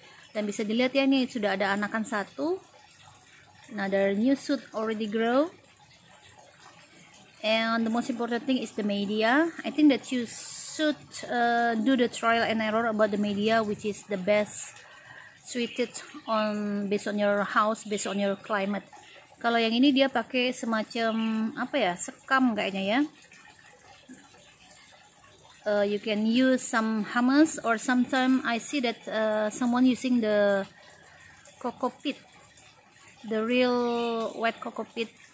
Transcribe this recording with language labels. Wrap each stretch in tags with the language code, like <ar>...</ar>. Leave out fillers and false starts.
<id>Dan bisa dilihat ya, ini sudah ada anakan satu.</id> <en>Another new shoot already grow. And the most important thing is the media. I think that you should do the trial and error about the media, which is the best suited on based on your house, based on your climate.</en> <id>Kalau yang ini dia pakai semacam apa ya, sekam kayaknya ya.</id> <en>You can use some hummus or sometimes I see that someone using the cocopeat, the real wet cocopeat.</en>